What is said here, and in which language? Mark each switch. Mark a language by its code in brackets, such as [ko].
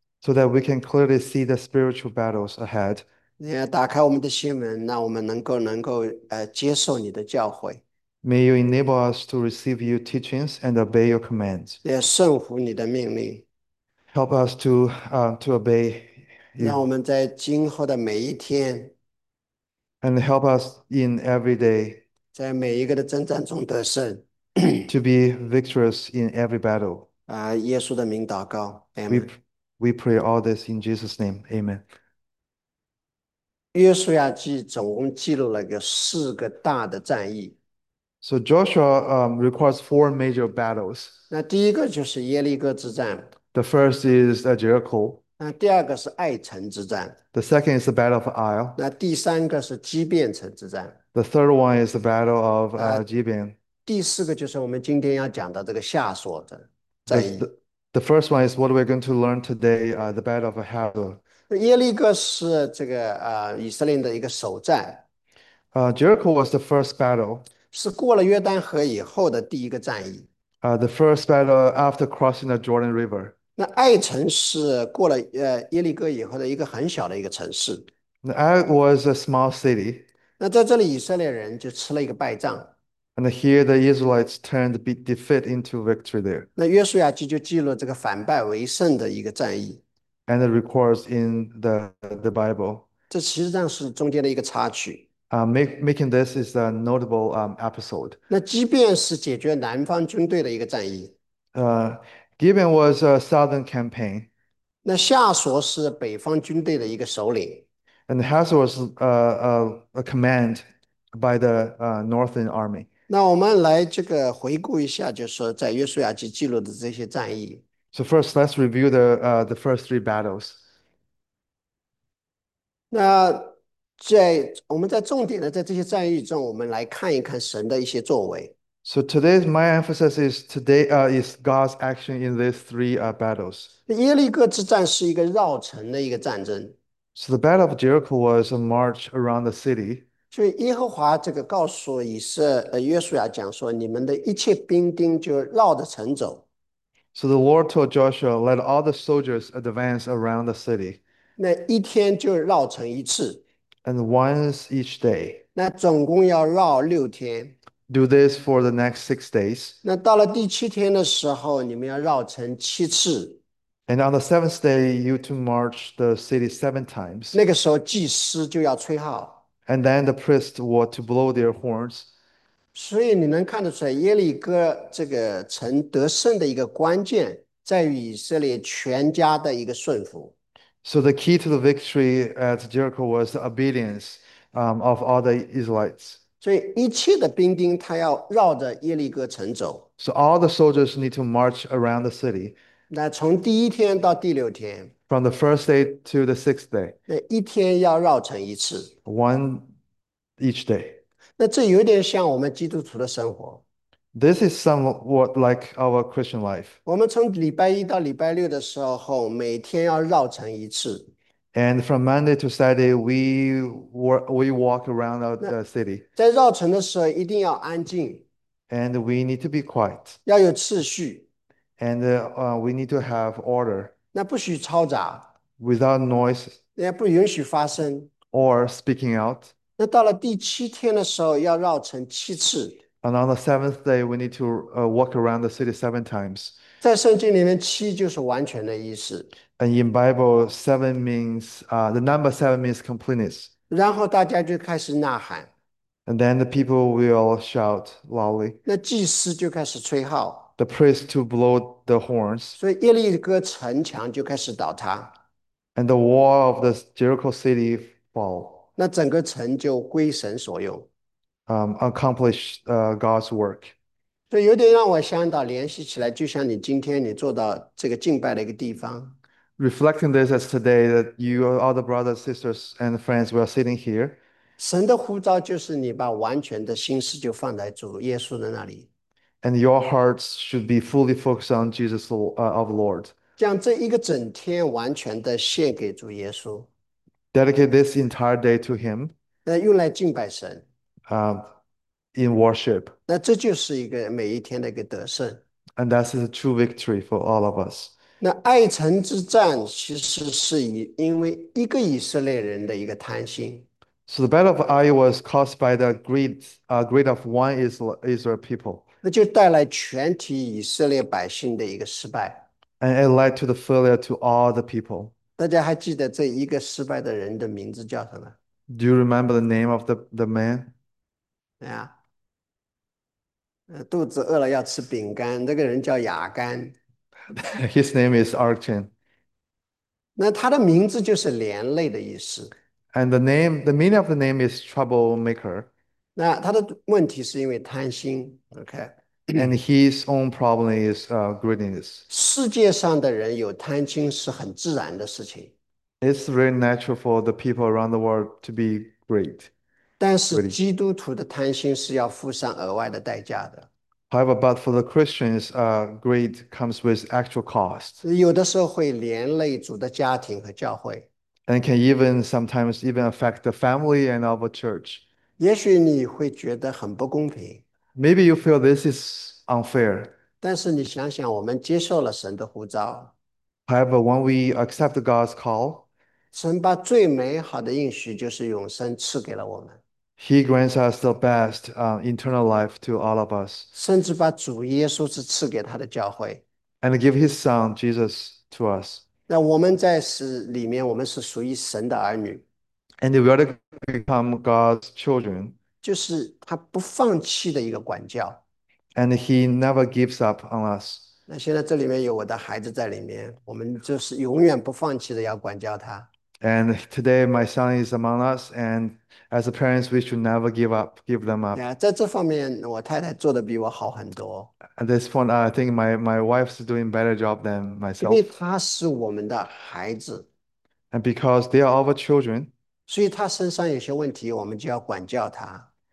[en] So that we can clearly see the spiritual battles ahead. [zh] 你要打开我们的心门，让我们能够接受你的教诲， [en] May you enable us to receive your teachings and obey your commands. [zh] 也顺服你的命令， [en] Help us to obey [zh] 让我 [en] you. [zh] 们在今后的每一天， [en] And help us in every day [zh] 每一个的征战中得胜。 [en] to be victorious in every battle. [zh] 耶稣的名祷告，Amen。 [en] We pray all this in Jesus' name. Amen. [zh] 约书亚记总共记录了有四个大的战役。 [en] So Joshua records four major battles. [zh] 那第一个就是耶利哥之战， [en] The first is at Jericho. [zh] 那第二个是爱城之战， [en] The second is the Battle of Ai. [zh] 那第三个是基遍城之战， [en] The third one is the Battle of Gibeon. [zh] 第四个就是我们今天要讲的这个夏所的。战役， [en] The first one is what we're going to learn today, the Battle of Hazor. [zh] 耶利哥是这个以色列的一个首战， [en] Jericho was the first battle. [zh] 是过了约旦河以后的第一个战役。 [en] The first battle after crossing the Jordan River. [zh] 那爱城是过了耶利哥以后的一个很小的一个城市。 [en] Ai was a small city. [zh] 那在这里，以色列人就吃了一个败仗。 [en] And here the Israelites turned defeat into victory there. [zh] 那约书亚记就记录这个反败为胜的一个战役， [en] And it records in the Bible. [zh] 这其实上是中间的一个插曲。 [en] Making this is a notable episode. [zh] 那即便是解决南方军队的一个战役， [en] Gibeon was a southern campaign, [zh] 那夏所是北方军队的一个首领， [en] and Hazor was a command by the northern army. [zh] 那我们来这个回顾一下，就是说在约书亚记记录的这些战役。 [en] So first, let's review the first three battles. [zh] 那在我们在重点的在这些战役中，我们来看一看神的一些作为。 [en] So today's my emphasis is today is God's action in these three battles. [zh] 耶利哥之战是一个绕城的一个战争。 [en] So the Battle of Jericho was a march around the city. [zh] 所以耶和华这个告诉以色约书亚讲说，你们的一切兵丁就绕着城走。 [en] So the Lord told Joshua, let all the soldiers advance around the city. [zh] 那一天就绕城一次， [en] And once each day. [zh] 那总共要绕6天。 [en] Do this for the next 6 days. [zh] 那到了第七天的时候，你们要绕城7次。 [en] And on the seventh day, you to march the city 7 times. [zh] 那个时候祭司就要吹号。 [en] And then the priests were to blow their horns. [zh] 所以你能看得出来，耶利哥这个城得胜的一个关键，在于以色列全家的一个顺服。 [en] So the key to the victory at Jericho was the obedience, of all the Israelites. [zh] 所以一切的兵丁他要绕着耶利哥城走。 [en] So all the soldiers need to march around the city [zh] 那从第一天到第六天， [en] from the first day to the sixth day, [zh] 那一天要绕城一次。 [en] one each day. [zh] 那这有点像我们基督徒的生活。 [en] This is somewhat like our Christian life. [zh] 我们从礼拜一到礼拜六的时候，每天要绕城一次。 [en] And from Monday to Saturday, we walk around the city. [zh] 在绕城的时候一定要安静， [en] And we need to be quiet. [zh] 要有秩序， [en] And we need to have order [zh] 那不许嘈杂， [en] without noise [zh] 也不允许发声。 [en] or speaking out. [zh] 那到了第七天的时候，要绕城7次。 [en] And on the seventh day, we need to walk around the city 7 times. [zh] 在圣经里面，七就是完全的意思。 [en] And in Bible, seven means the number 7 means completeness. [zh] 然后大家就开始呐喊。 [en] And then the people will shout loudly. [zh] 那祭司就开始吹号。 [en] The priest to blow the horns. [zh] 所以耶利哥城墙就开始倒塌。 [en] And the wall of the Jericho city fall. [zh] 那整个城就归神所用， [en] Accomplish God's work. [zh] 所以有点让我想到联系起来，就像你今天你做到这个敬拜的一个地方， [en] reflecting this as today that you, all the brothers, sisters, and friends, we are sitting here. [zh] 神的呼召就是你把完全的心思就放在主耶稣的那里。 [en] And your hearts should be fully focused on Jesus, of Lord. [zh] 将这一个整天完全的献给主耶稣， [en] Dedicate this entire day to Him, [zh] 那用来敬拜神。 [en] in worship. [zh] 那这就是一个每一天的一个得胜。 [en] And that's a true victory for all of us. [zh] 那爱城之战其实是因为一个以色列人的一个贪心。 [en] So the Battle of Ai was caused by the greed of one Israel people. [zh] 那就带来全体以色列百姓的一个失败。 [en] And it led to the failure to all the people. [zh] 大家还记得这一个失败的人的名字叫什 [en] Do you remember the name of the man? [zh] 么？哎呀，肚子饿了要吃饼干，那个人叫亚干。 [en] His name is Archan. [zh] 那他的名字就是连累的意思。 [en] And the meaning of the name is troublemaker. [zh] 那他的问题是因为贪心 [en] And ，OK？ his own problem is greediness. [zh] 世界上的人有贪心是很自然的事情， [en] It's very natural for the people around the world to be great, [zh] 但是 [en] greedy. [zh] 基督徒的贪心是要付上额外的代价的。 [en] However, but for the Christians, greed comes with actual cost. [zh] 有的时候会连累主的家庭和教会。 [en] And can even sometimes even affect the family and of a church. [zh] 也许你会觉得很不公平， [en] Maybe you feel this is unfair. [zh] 但是你想想，我们接受了神的呼召， [en] However, when we accept God's call, [zh] 神把最美好的应许就是永生赐给了我们， [en] He grants us the best, internal life to all of us, [zh] 甚至把主耶稣是赐给他的教会。 [en] and give His Son, Jesus, to us. [zh] 那我们在是里面，我们是属于神的儿女。 [en] And we are to become God's children, [zh] 就是他不放弃的一个管教。 [en] and He never gives up on us. [zh] 那现在这里面有我的孩子在里面，我们就是永远不放弃的要管教他。 [en] And today, my son is among us, and as parents, we should never give them up. [zh] 对啊，在这方面，我太太做得比我好很多， [en] At this point, I think my wife's doing a better job than [zh] 因为 [en] myself. [zh] 他是我们的孩子。 [en] And because they are our children, [zh] 所以他身上有些问题，我们就要管教他。